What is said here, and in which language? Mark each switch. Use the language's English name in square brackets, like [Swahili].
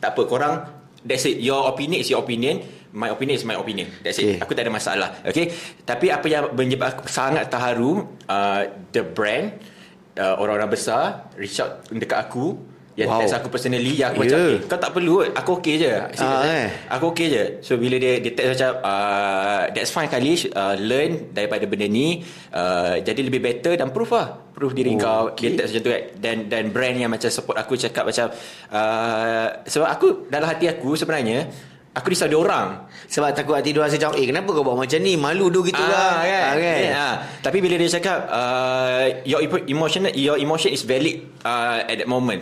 [Malay] Tak apa, korang, [English] that's it. Your opinion is your opinion. My opinion is my opinion. That's it. [Malay] Aku tak ada masalah. [English] Okay. [Malay] Tapi apa yang menyebabkan aku sangat terharu, the brand, orang-orang besar [English] reach out [Malay] dekat aku. Yang wow. Text aku [English] personally. [Malay] Yang aku macam, kau tak perlu. Aku okay je. Aku okay je. So bila dia text macam, [English] that's fine [Malay] Khalish. [English] Learn [Malay] daripada benda ni. Jadi lebih better dan proof lah. Proof diri kau. Okay. Dia text macam tu kan. Dan brand yang macam support aku cakap macam, sebab aku dalam hati aku sebenarnya, aku risau dia orang. Sebab takut hati dia orang macam, kenapa kau buat macam ni? Malu dia gitu lah. Tapi bila dia cakap, [English] your emotion is valid at that moment.